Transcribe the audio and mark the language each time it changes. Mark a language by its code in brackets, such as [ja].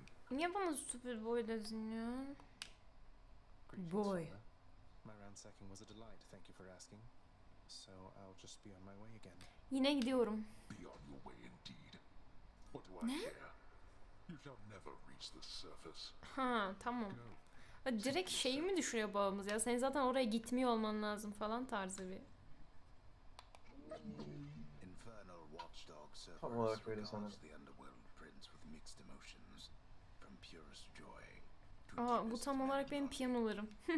[tr] Niye bana [en] stupid boy [tr] dedin ya? Boy. [en] My ransacking was a delight. Thank you for asking. So I'll just be on my way again. [tr] Yine gidiyorum. [en] Be on your way indeed. What do I care? You shall never reach the surface. [tr] Ha, tamam. Go. Direkt şeyi mi düşünüyor babamız ya? Sen zaten oraya gitmiyor olman lazım falan tarzı bir. [en] Infernal watchdog servers guards the underworld prince with mixed emotions from purest joy. [tr] Aa, bu tam olarak benim piyanolarım.